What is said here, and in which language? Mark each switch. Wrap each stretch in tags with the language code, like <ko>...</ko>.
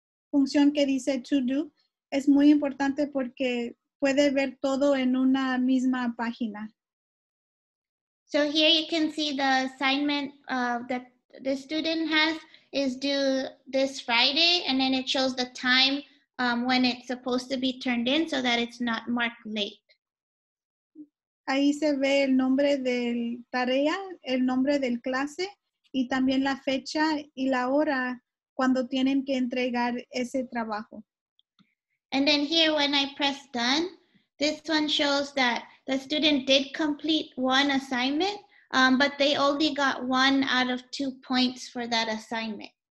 <es>Función que dice to do es muy importante porque puede ver todo en una misma página.</es> <en>So here you can see the assignment that the student has is due this Friday, and then it shows the time when it's supposed to be turned in so that it's not marked late.</en> <es>Ahí se ve el nombre del tarea, el nombre del clase, y también la fecha y la hora cuando tienen que entregar ese trabajo.</es> <en>And then here when I press done, this one shows that the student did complete one assignment, but they only got 1 out of 2 points for that assignment.</en>